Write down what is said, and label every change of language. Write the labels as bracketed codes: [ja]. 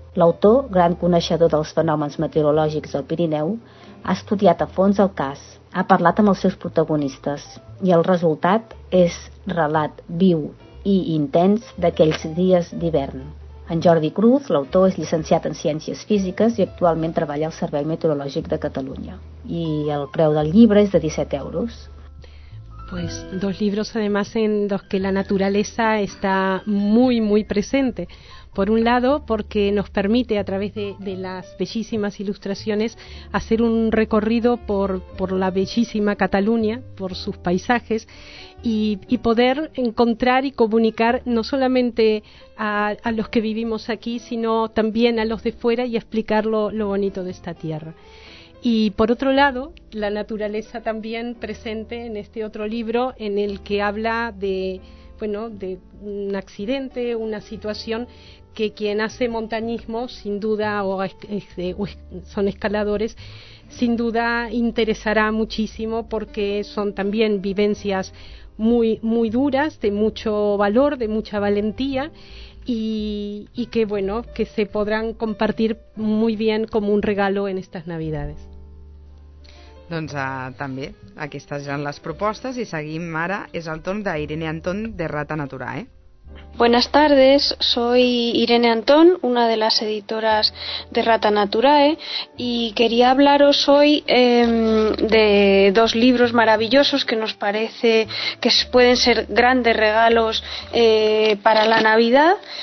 [ca] L'autor, gran coneixedor dels fenòmens meteorològics del Pirineu, ha estudiat a fons el cas, ha parlat amb els seus protagonistes i el resultat és relat viu i intens d'aquells dies d'hivern. En Jordi Cruz, l'autor, és llicenciat en Ciències Físiques i actualment treballa al Servei Meteorològic de Catalunya. I el preu del llibre és de 17 euros. [es] Pues dos libros además en los que la naturaleza está muy muy presente. Por un lado, porque nos permite a través de las bellísimas ilustraciones hacer un recorrido por la bellísima Cataluña, por sus paisajes, y poder encontrar y comunicar no solamente a los que vivimos aquí, sino también a los de fuera y explicar lo bonito de esta tierra. Y por otro lado, la naturaleza también presente en este otro libro en el que habla de un accidente, una situación que quien hace montañismo, sin duda, son escaladores, sin duda interesará muchísimo porque son también vivencias muy, muy duras, de mucho valor, de mucha valentía y que, bueno, que se podrán compartir muy bien como un regalo en estas Navidades. [ca] Doncs també, aquestes eren les propostes i seguim ara, és el torn d'Irene Antón de Rata Natura, eh? [es] Buenas tardes, soy Irene Antón, una de las editoras de Rata Naturae, y quería hablaros hoy de dos libros maravillosos que nos parece que pueden ser grandes regalos para la Navidad.